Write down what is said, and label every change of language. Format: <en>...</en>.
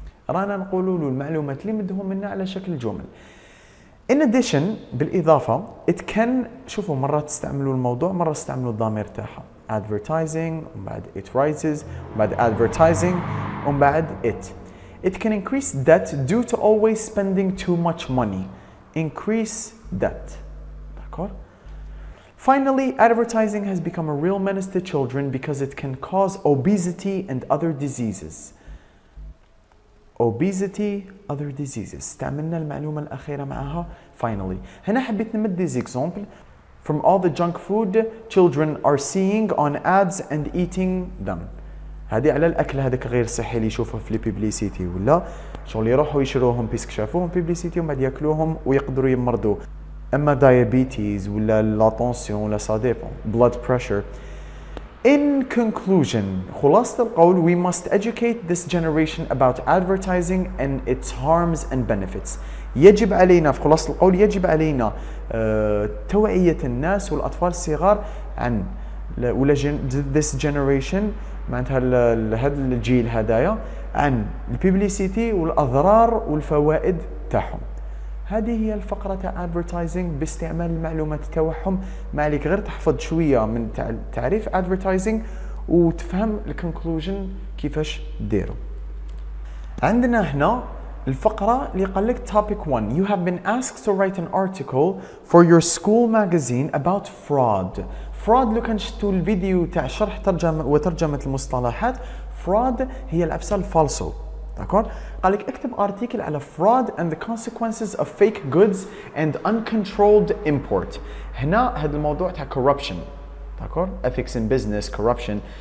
<ar>رانا نقولوا له المعلومات اللي مدهم لنا على شكل جمل</ar> <en>in addition</en> <ar>بالاضافه</ar> <en>it can</en> <ar>شوفوا مره تستعملوا الموضوع مره تستعملوا الضمير تاعها</ar> <en>advertising</en> <ar>ومن بعد</ar> <en>it rises</en> <ar>بعد</ar> <en>advertising ومن بعد it can increase debt due to always spending too much money increase debt</en> <ar>داكور</ar> <en>finally advertising has become a real menace to children because it can cause obesity and other diseases obesity, other diseases.</en> <ar>استعملنا المعلومة الأخيرة معها finally. هنا حبيت نمد</ar> <en>these examples from all the junk food children are seeing on ads and eating them.</en> <ar>هذه على الأكل هذاك غير صحي اللي يشوفه في البيبليسيتي ولا شغل يروحوا يشروهم بيسك شافوهم بيبليسيتي وما يأكلوهم ويقدروا يمرضوا. أما diabetes ولا لاتونسيون ولا صادق</ar> <en>blood pressure. In conclusion,</en> <ar>خلاصة القول,</ar> <en>we must educate this generation about advertising and its harms and benefits.</en> <ar>يجب علينا, في خلاصة القول, يجب علينا توعية الناس والأطفال الصغار عن ولا</ar> <en>this generation,</en> <ar>معناتها هذا الجيل هدايا عن البيبليسيتي والأضرار والفوائد تاعهم. هذه هي الفقرة تاع advertising باستعمال المعلومات تاعهم. ما عليك غير تحفظ شوية من تعريف advertising وتفهم الconclusion كيفاش ديرو. عندنا هنا الفقرة اللي قال لك topic 1.</ar> <en>You have been asked to write an article for your school magazine about fraud.</en> <ar>Fraud, لو كان شفتوا الفيديو تاع شرح ترجمة وترجمة المصطلحات, fraud هي الأفسة الفالسو. داكور, قالك اكتب ارتيكل على</ar> <en>fraud and the consequences of fake goods and uncontrolled import.</en> <ar>هنا هذا الموضوع تاع corruption, داكور,</ar> <en>ethics in business,</en> <ar>corruption.</ar>